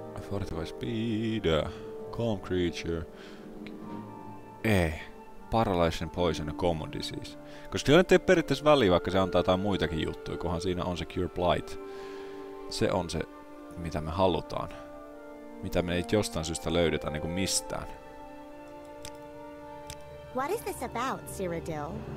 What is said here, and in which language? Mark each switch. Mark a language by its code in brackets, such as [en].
[en] Fortify speed, calm creature. Ei. Paralyzing poison, a common disease. [fi] Koska se ei periaatteessa väliä, vaikka se antaa jotain muitakin juttuja, kunhan siinä on se cure blight. Se on se, mitä me halutaan. Mitä me ei jostain syystä löydetä, niin kuin mistään. [en] What is this about, Cyrodiil?